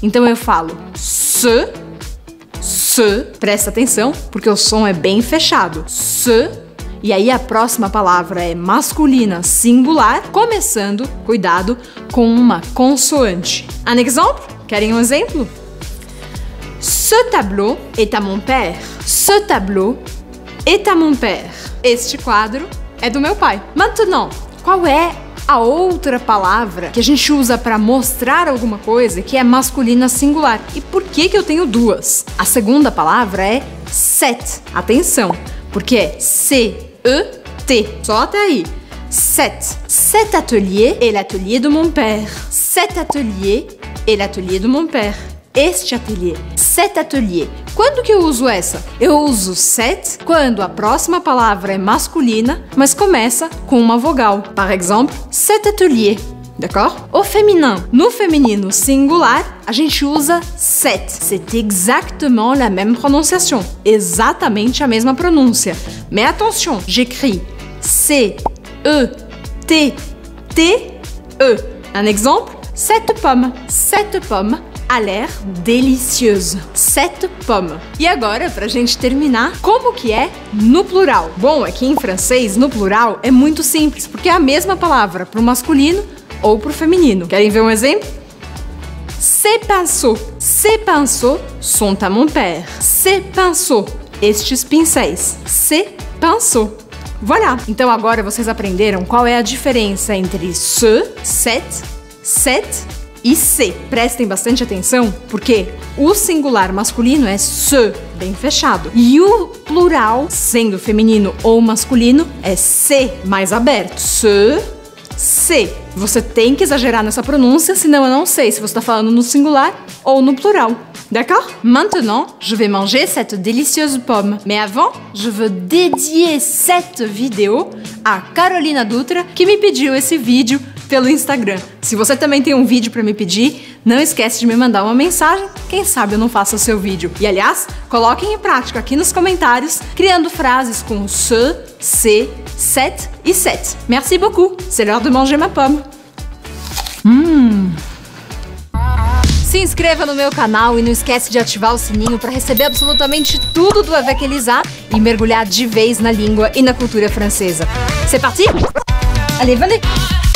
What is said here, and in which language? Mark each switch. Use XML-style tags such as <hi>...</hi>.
<pt>Então eu falo se, se, presta atenção, porque o som é bem fechado. Se, e aí a próxima palavra é masculina, singular, começando, cuidado, com uma consoante.</pt> <fr>Un exemple?</fr> <pt>Querem um exemplo?</pt> <fr>Ce tableau est à mon père. Ce tableau est à mon père.</fr> <pt>Este quadro é do meu pai.</pt> <fr>Maintenant,</fr> <pt>qual é a outra palavra que a gente usa para mostrar alguma coisa que é masculina singular? E por que que eu tenho 2? A segunda palavra é set. Atenção, porque é C-E-T. Só até aí. Set.</pt> <fr>Cet atelier est l'atelier de mon père. Cet atelier est l'atelier de mon père.</fr> <pt>Este atelier.</pt> <fr>Cet atelier.</fr> <pt>Quando que eu uso essa? Eu uso set quando a próxima palavra é masculina, mas começa com uma vogal. Por exemplo,</pt> <fr>cet atelier. D'accord?</fr> <pt>O feminin. No feminino singular, a gente usa set.</pt> <fr>C'est exactement la même prononciation.</fr> <pt>Exatamente a mesma pronúncia.</pt> <fr>Mais attention, j'écris C-E-T-T-E. Un exemple, cette pomme. Cette pomme. A l'air délicieuse. Cette pomme.</fr> <pt>E agora, pra gente terminar, como que é no plural? Bom, aqui em francês, no plural é muito simples, porque é a mesma palavra pro masculino ou pro feminino. Querem ver um exemplo?</pt> <fr>Ces pinceaux. Ces pinceaux sont à mon père. Ces pinceaux.</fr> <pt>Estes pincéis.</pt> <fr>Ces pinceaux. Voilà.</fr> <pt>Então agora vocês aprenderam qual é a diferença entre ce, set, set, e se. Prestem bastante atenção, porque o singular masculino é se, bem fechado. E o plural, sendo feminino ou masculino, é se, mais aberto. Se, se. Você tem que exagerar nessa pronúncia, senão eu não sei se você está falando no singular ou no plural.</pt> <fr>D'accord? Maintenant, je vais manger cette délicieuse pomme. Mais avant, je veux dédier cette vidéo à Carolina Dutra,</fr> <pt>que me pediu esse vídeo pelo Instagram. Se você também tem um vídeo para me pedir, não esquece de me mandar uma mensagem, quem sabe eu não faço o seu vídeo. E aliás, coloquem em prática aqui nos comentários, criando frases com se, se, set e set.</pt> <fr>Merci beaucoup, c'est l'heure de manger ma pomme.</fr> <pt>Se inscreva no meu canal e não esquece de ativar o sininho para receber absolutamente tudo do Avec Elisa e mergulhar de vez na língua e na cultura francesa.</pt> <fr>C'est parti? Allez, venez!</fr>